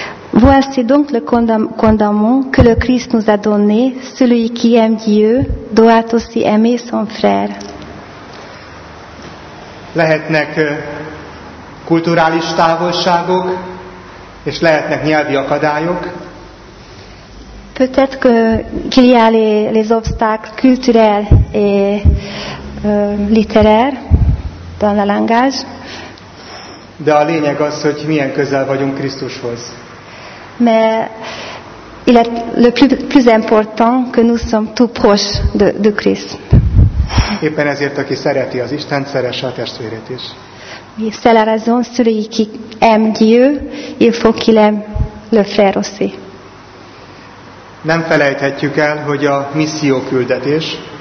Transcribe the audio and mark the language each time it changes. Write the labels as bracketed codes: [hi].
[fr] Voici donc le commandement que le Christ nous a donné. Celui qui aime Dieu doit aussi aimer son frère. [hu] Lehetnek kulturális távolságok, és lehetnek nyelvi akadályok. [fr] Peut-être qu'il y a les obstacles culturels et littéraires dans le langage. [hu] De a lényeg az, hogy milyen közel vagyunk Krisztushoz. [fr] Mais il est le plus important que nous sommes tout proches de Christ. [hu] Éppen ezért, aki szereti az Istent, szeresse a testvérét is. [fr] C'est la raison, celui qui aime Dieu, il faut qu'il aime le frère aussi. [hu] Nem felejthetjük el, hogy a misszió küldetés.